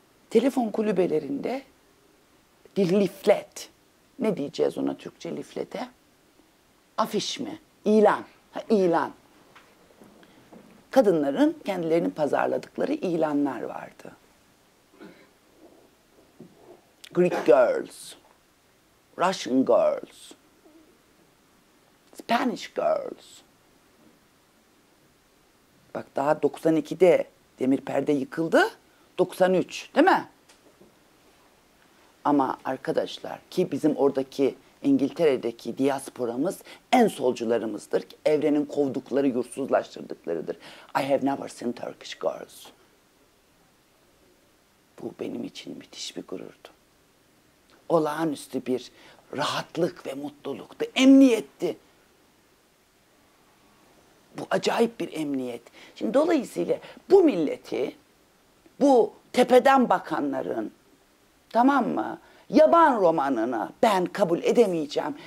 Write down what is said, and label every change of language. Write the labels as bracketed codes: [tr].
[tr] Telefon kulübelerinde dil leaflet ne diyeceğiz ona Türkçe liflete? Afiş mi? İlan. Ha, ilan. Kadınların kendilerini pazarladıkları ilanlar vardı. [en] Greek girls, Russian girls, Spanish girls. [tr] Bak daha 92'de demir perde yıkıldı, 93 değil mi? Ama arkadaşlar ki bizim oradaki İngiltere'deki diasporamız en solcularımızdır. Evrenin kovdukları, yurtsuzlaştırdıklarıdır. [en] I have never seen Turkish girls. [tr] Bu benim için müthiş bir gururdu. Olağanüstü bir rahatlık ve mutluluktu, emniyetti. Bu acayip bir emniyet. Şimdi dolayısıyla bu milleti, bu tepeden bakanların, tamam mı, yaban romanını ben kabul edemeyeceğim.